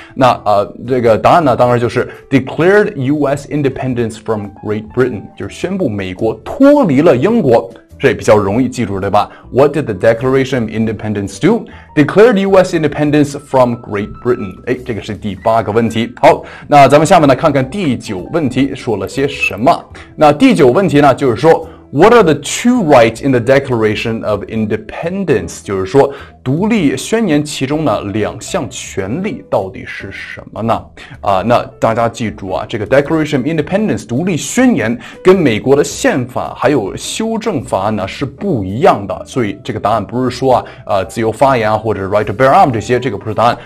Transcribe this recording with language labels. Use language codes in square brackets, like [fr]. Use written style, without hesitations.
[zh] 那这个答案呢当然就是 Declared US independence from Great Britain，就是宣布美国脱离了英国，这比较容易记住，对吧？ [en] What did the Declaration of Independence do? Declared US independence from Great Britain。 [zh] 这个是第八个问题。好，那咱们下面呢看看第九问题说了些什么。 [en] 那第九问题呢就是说 What are the two rights in the Declaration of Independence? [zh] 就是说独立宣言其中呢两项权利到底是什么呢？那大家记住啊，这个 Declaration of Independence 独立宣言跟美国的宪法还有修正法案呢是不一样的，所以这个答案不是说自由发言啊或者 Right to Bear Arms 这些，这个不是答案。